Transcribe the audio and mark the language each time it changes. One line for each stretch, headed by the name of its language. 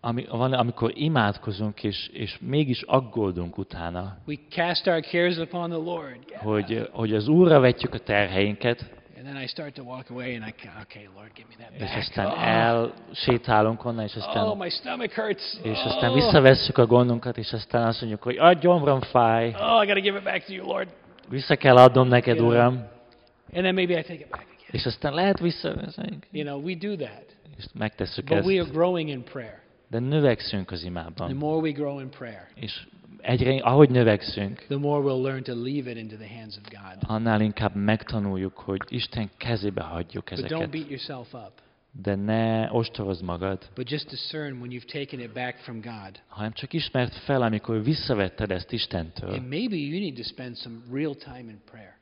Hungarian: Amikor imádkozunk és mégis aggódunk utána.
English: We cast our cares upon the Lord. Yeah.
Hungarian: Hogy az Úrra vetjük a terheinket.
English: And then I start to walk away and I okay, Lord, give me that back.
Hungarian: És aztán elsétálunk onnan, és aztán
English: oh, my stomach hurts.
Hungarian: És aztán visszavesszük a gondunkat, és aztán azt mondjuk, hogy a gyomrom fáj.
English: Oh, I gotta give it back to you, Lord.
Hungarian: Vissza kell adnom neked, Uram.
English: And then maybe I take it back again.
Hungarian: És aztán lehet visszaveszünk.
English: You know, we do that.
Hungarian: És megtesszük
English: ezt. But we are growing in prayer.
Hungarian: De növekszünk az imában.
English: The more we grow in prayer.
Hungarian: És egyre, ahogy növekszünk,
English: the more we'll learn to leave it into the hands of God.
Hungarian: Annál inkább megtanuljuk, hogy Isten kezébe hagyjuk ezeket.
English: But don't beat yourself up.
Hungarian: De ne ostorozd magad.
English: But just discern when you've taken it back from God.
Hungarian: Hanem csak ismerd fel, amikor visszavetted ezt Istentől.
English: And maybe you need to spend some real time in prayer.